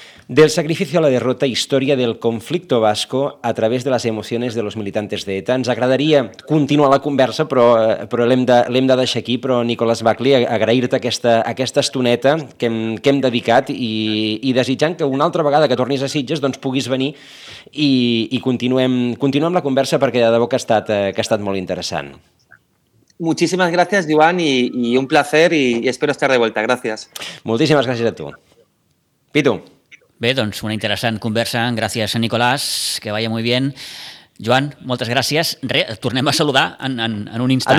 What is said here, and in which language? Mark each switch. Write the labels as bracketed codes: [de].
[ca] Del sacrificio a la derrota, historia del conflicto vasco a través de las emociones de los militantes de ETA. Ens agradaria continuar la conversa, però l'hem de deixar aquí, però Nicolas Buckley, agrair-te aquesta estoneta que hem dedicat i desitjant que una altra vegada que tornis a Sitges doncs puguis venir i continuem la conversa, perquè de debò que ha estat molt interessant. [es] Muchísimas gracias, Joan, y un placer y espero estar de vuelta. Gracias. [ca] Moltíssimes gràcies a tu. Pitu. Bé, doncs una interessant conversa. Gràcies a Nicolás, [es] que vaya muy bien. [ca] Joan, moltes gràcies. Tornem a saludar en un instant.